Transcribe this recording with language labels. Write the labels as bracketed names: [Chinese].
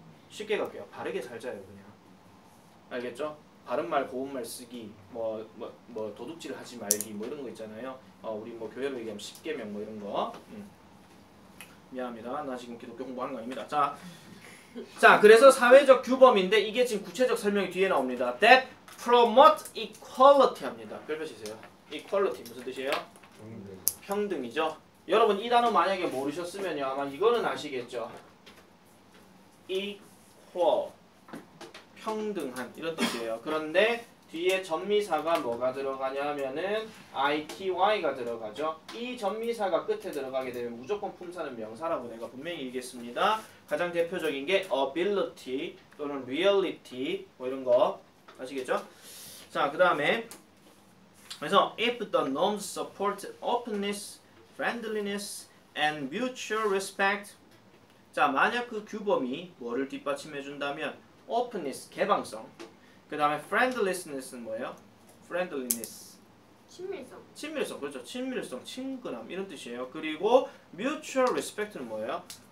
[Korean] 쉽게 갈게요. 바르게 살자요, 그냥. 알겠죠? 바른 말, 고운 말 쓰기, 뭐 도둑질 하지 말기, 뭐 이런 거 있잖아요. 우리 뭐 교회로 얘기하면 십계명 뭐 이런 거. 미안합니다. 나 지금 기독교 공부하는 거 아닙니다. 자, 그래서 사회적 규범인데 이게 지금 구체적 설명이 뒤에 나옵니다. [English] That promote equality [Korean] 합니다. 별표 치세요. Equality 무슨 뜻이에요? 평등이죠. 여러분 이 단어 만약에 모르셨으면요, 아마 이거는 아시겠죠. Equal 평등한 이런 뜻이에요. 그런데 뒤에 접미사가 뭐가 들어가냐면은 ity가 들어가죠. 이 접미사가 끝에 들어가게 되면 무조건 품사는 명사라고 내가 분명히 얘기했습니다. 가장 대표적인 게 ability 또는 reality 뭐 이런 거 아시겠죠? 자, 그다음에 그래서 [English] if the norms support openness, friendliness and mutual respect. [Korean] 자, 만약 그 규범이 뭐를 뒷받침해 준다면 openness 개방성. 그다음에 friendlessness는 뭐예요? [English] friendliness [Korean] 친밀성. 친밀성. 그렇죠. 친밀성, 친근함 이런 뜻이에요. 그리고 [English] mutual respect [Korean] 는 뭐예요?